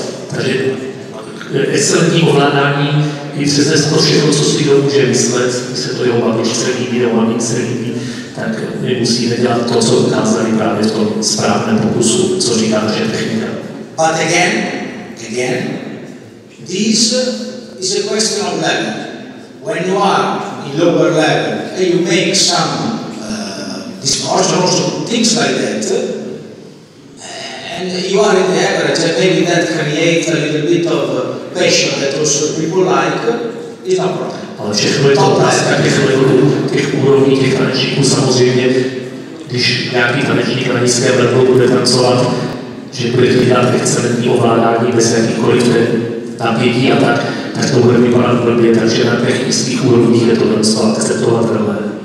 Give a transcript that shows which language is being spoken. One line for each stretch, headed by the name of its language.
Czech: Takže excelentní ovládání i přes dnesko všechno, co si kdo může myslet, když se to jeho babičce líbí nebo mamičce líbí, tak my musíme dělat to, co ukázali právě v tom správném pokusu, co říká naše technika.
English: But again, this is a question of level. When you are in lower level and you make some discussions, things like that, and you are in the average, and maybe that creates a little bit of passion that also people like, it's not a problem.
Czech: Ale všechno je to otázka těch levelů, těch úrovní, těch tanečníků samozřejmě, když nějaký tanečník na nízké levelu bude tancovat, že bude dělat excelentní ovládání bez jakýchkoliv napětí a tak, tak to bude vypadat v době, takže na těch nízkých úrovních je to tancovat akceptovatelné.